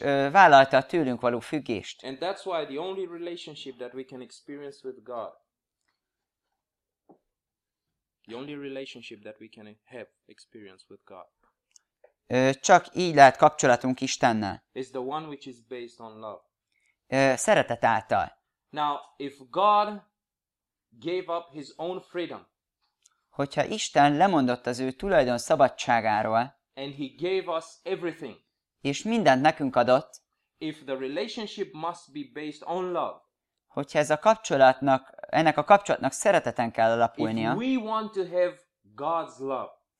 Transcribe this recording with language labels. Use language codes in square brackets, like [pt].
[hu] Vállalta a tőlünk való függést. [en] And that's why the only relationship that we can experience with God. The only relationship that we can have experience with God. [hu] Csak így lehet kapcsolatunk Istennel. [en] Is the one which is based on love. [hu] Szeretet által. [en] Now, if God gave up his own freedom, [hu] hogyha Isten lemondott az ő tulajdon szabadságáról, [en] and he gave us everything, [hu] és mindent nekünk adott, [en] if the relationship must be based on love, [hu] hogyha ez a kapcsolatnak, ennek a kapcsolatnak szereteten kell alapulnia, [en] if we want to have God's love,